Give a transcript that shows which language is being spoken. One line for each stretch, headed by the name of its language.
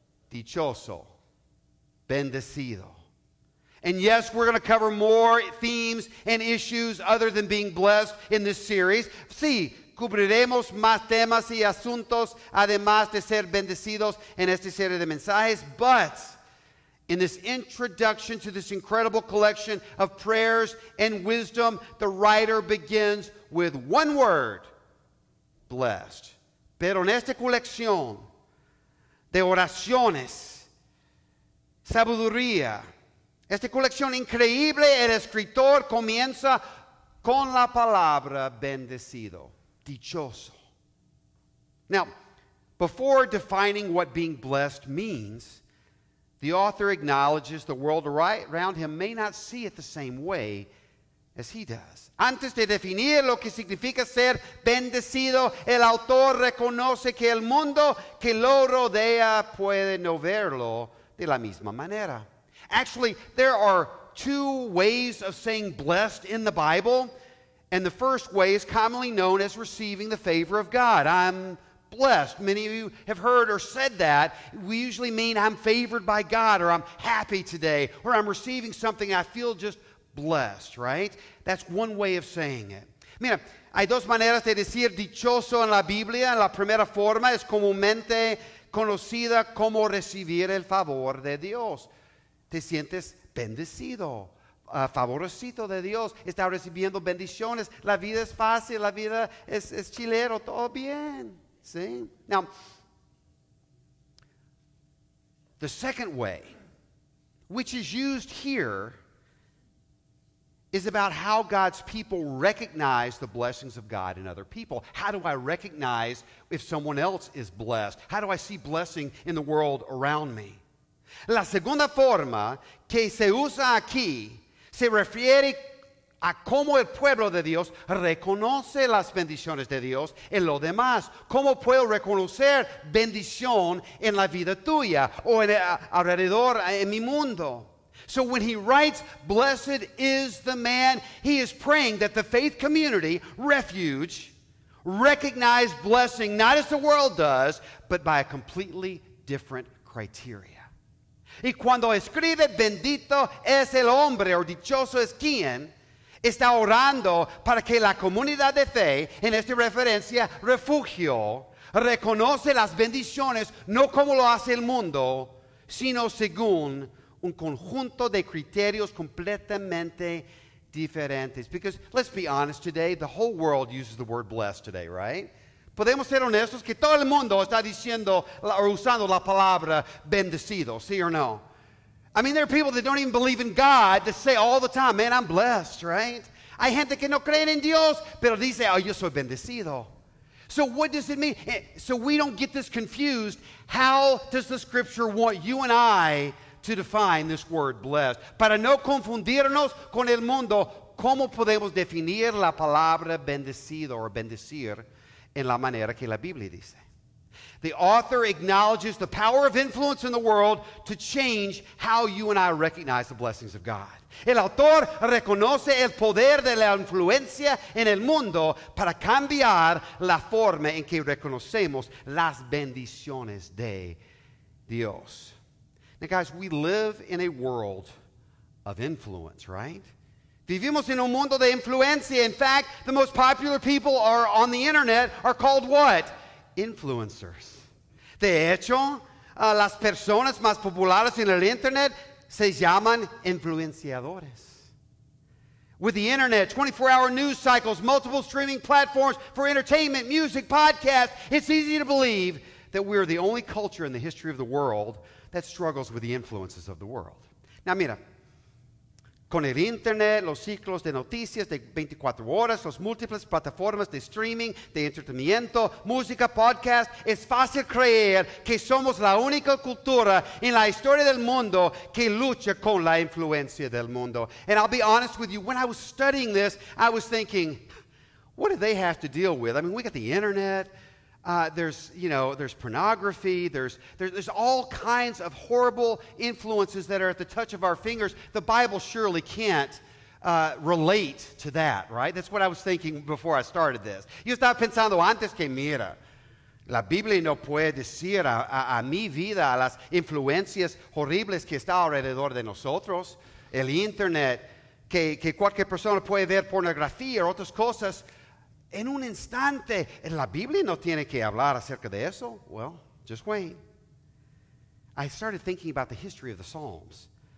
Spanish: Dichoso. Bendecido.
English: And yes, we're going to cover more themes and issues other than being blessed in this series.
Spanish: Sí, cubriremos más temas y asuntos además de ser bendecidos en esta serie de mensajes.
English: But in this introduction to this incredible collection of prayers and wisdom, the writer begins with one word, blessed.
Spanish: Pero en esta colección de oraciones, sabiduría, esta colección increíble, el escritor comienza con la palabra bendecido, dichoso.
English: Now, before defining what being blessed means, the author acknowledges the world right around him may not see it the same way as he does.
Spanish: Antes de definir lo que significa ser bendecido, el autor reconoce que el mundo que lo rodea puede no verlo de la misma manera.
English: Actually, there are 2 ways of saying blessed in the Bible, and the first way is commonly known as receiving the favor of God. I'm blessed. Many of you have heard or said that. We usually mean I'm favored by God, or I'm happy today, or I'm receiving something, I feel just blessed, right? That's one way of saying it.
Spanish: Mira, hay dos maneras de decir dichoso en la Biblia. La primera forma es comúnmente conocida como recibir el favor de Dios. Te sientes bendecido, favorecito de Dios. Está recibiendo bendiciones. La vida es fácil. La vida es chilero. Todo bien. ¿Sí?
English: Now, the second way, which is used here, is about how God's people recognize the blessings of God in other people. How do I recognize if someone else is blessed? How do I see blessing in the world around me?
Spanish: La segunda forma que se usa aquí se refiere a cómo el pueblo de Dios reconoce las bendiciones de Dios en lo demás. ¿Cómo puedo reconocer bendición en la vida tuya o alrededor en mi mundo?
English: So when he writes, blessed is the man, he is praying that the faith community, refuge, recognize blessing, not as the world does, but by a completely different criteria.
Spanish: Y cuando escribe, bendito es el hombre, o dichoso es quien, está orando para que la comunidad de fe, en esta referencia, refugio, reconoce las bendiciones, no como lo hace el mundo, sino según un conjunto de criterios completamente diferentes.
English: Because let's be honest today, the whole world uses the word blessed today, right?
Spanish: Podemos ser honestos que todo el mundo está diciendo o usando la palabra bendecido, sí o no?
English: I mean, there are people that don't even believe in God that say all the time, man, I'm blessed, right?
Spanish: Hay gente que no creen en Dios, pero dice, oh, yo soy bendecido.
English: So what does it mean? So we don't get this confused. How does the scripture want you and I to define this word blessed?
Spanish: Para no confundirnos con el mundo, ¿cómo podemos definir la palabra bendecido or bendecir en la manera que la Biblia dice?
English: The author acknowledges the power of influence in the world to change how you and I recognize the blessings of God.
Spanish: El autor reconoce el poder de la influencia en el mundo para cambiar la forma en que reconocemos las bendiciones de Dios.
English: Now, guys, we live in a world of influence, right?
Spanish: Vivimos en un mundo de influencia.
English: In fact, the most popular people are on the internet are called what? Influencers.
Spanish: De hecho, las personas más populares en el internet se llaman influenciadores.
English: With the internet, 24-hour news cycles, multiple streaming platforms for entertainment, music, podcasts, it's easy to believe that we are the only culture in the history of the world that struggles with the influences of the world.
Spanish: Now, mira, con el internet, los ciclos de noticias de 24 horas, los múltiples plataformas de streaming, de entretenimiento, música, podcast, es fácil creer que somos la única cultura en la historia del mundo que lucha con la influencia del mundo.
English: And I'll be honest with you, when I was studying this, I was thinking, what do they have to deal with? I mean, we got the internet, there's pornography, there's all kinds of horrible influences that are at the touch of our fingers. The Bible surely can't relate to that, right? That's what I was thinking before I started this.
Spanish: Yo estaba pensando antes que mira, la Biblia no puede decir a mi vida, a las influencias horribles que está alrededor de nosotros, el internet, que cualquier persona puede ver pornografía o otras cosas. En un instante, la Biblia no tiene que hablar acerca de eso.
English: Well, just wait. I started thinking about the history of the Psalms.